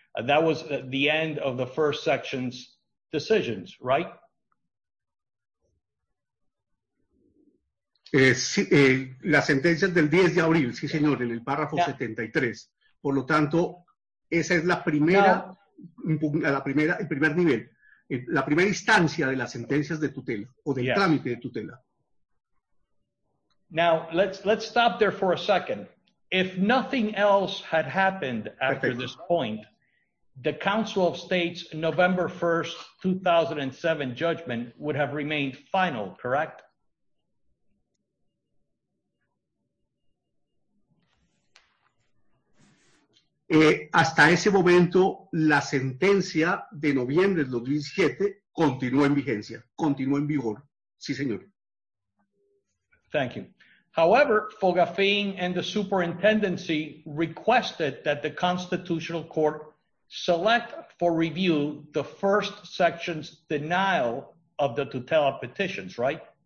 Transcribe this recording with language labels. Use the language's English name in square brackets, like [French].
[English] That was the end of the first section's decisions, right? [Spanish] La sentencia del 10 de abril, sí, señor, en el párrafo 73. Por lo tanto, esa es el primer nivel, la primera instancia de las sentencias de tutela o del trámite de tutela. [English] Now, let's stop there for a second. If nothing else had happened after this point, the Council of State's November 1st, 2007 judgment would have remained final, correct? [Spanish] Hasta ese momento, la sentencia de noviembre del 2007 continuó en vigencia, continuó en vigor. Sí, señor. [English] Thank you. However, Fogafín and the superintendency requested that the Constitutional Court select for review the first section's denial of the tutela petitions, right?